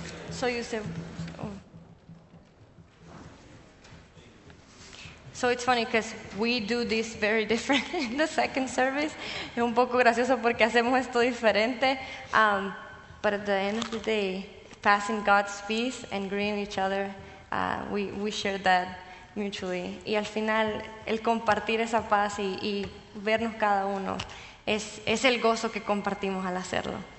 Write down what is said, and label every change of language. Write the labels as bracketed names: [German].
[English] So you said, So it's funny because we do this very different in the second service. [Spanish] Es un poco gracioso porque hacemos esto diferente. [English] But at the end of the day, passing God's peace and greeting each other, we share that mutually. [Spanish] Y al final, el compartir esa paz y vernos cada uno es el gozo que compartimos al hacerlo.